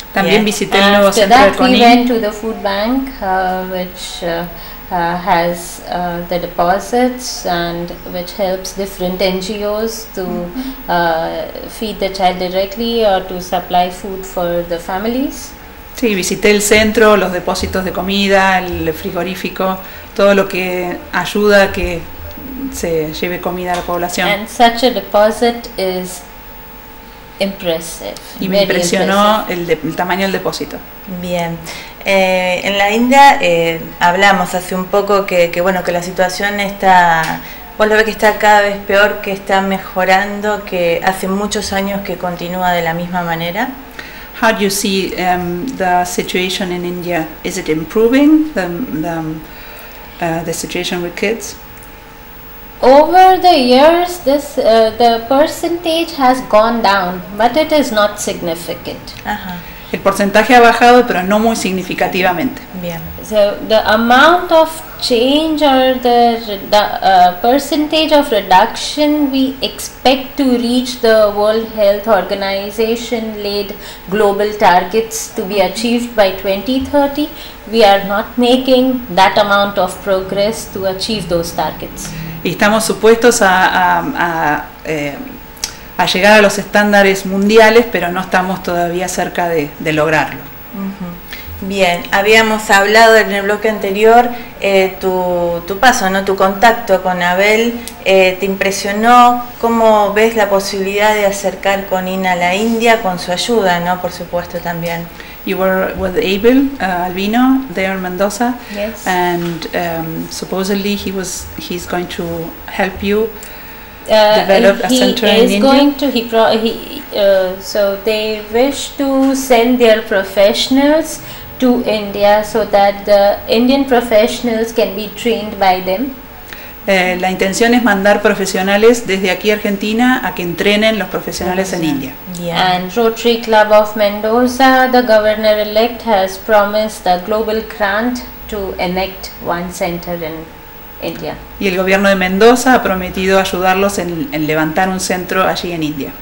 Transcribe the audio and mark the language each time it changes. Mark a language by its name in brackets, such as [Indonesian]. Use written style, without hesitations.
[Spanish] También visité el nuevo centro de Conin. [English] After that, we went to the food bank, which has the deposits and which helps different NGOs to feed the child directly or to supply food for the families. [Spanish] Sí, visité el centro, los depósitos de comida, el frigorífico, todo lo que ayuda a que se lleve comida a la población. [English] And such a deposit is impressive. [Spanish] Y me impresionó el tamaño del depósito. Bien. En la India hablamos hace un poco que bueno, que la situación está, vos lo ves que está cada vez peor, que está mejorando, que hace muchos años que continúa de la misma manera. [English] How do you see the situation in India? Is it improving the situation with kids? Over the years, this the percentage has gone down, but it is not significant. [Spanish] El porcentaje ha bajado, pero no muy significativamente. Bien. [English] So the amount of change or the percentage of reduction we expect to reach the World Health Organization-led global targets to be achieved by 2030, we are not making that amount of progress to achieve those targets. [Spanish] Y estamos supuestos a llegar a los estándares mundiales, pero no estamos todavía cerca de lograrlo. Uh-huh. Bien, habíamos hablado en el bloque anterior, tu paso, ¿no? Tu contacto con Abel, ¿te impresionó? ¿Cómo ves la posibilidad de acercar con Ina a la India con su ayuda, ¿no? Por supuesto también. [English] You were with Abel, Albino, there in Mendoza. Yes. And supposedly he's going to help you develop a center in India. So they wish to send their professionals to India so that the Indian professionals can be trained by them. [Spanish] La intención es mandar profesionales desde aquí a Argentina a que entrenen los profesionales en India. [English] Yeah. And Rotary Club of Mendoza, the governor elect has promised a global grant to enact one center in India. [Spanish] Y el gobierno de Mendoza ha prometido ayudarlos en levantar un centro allí en India.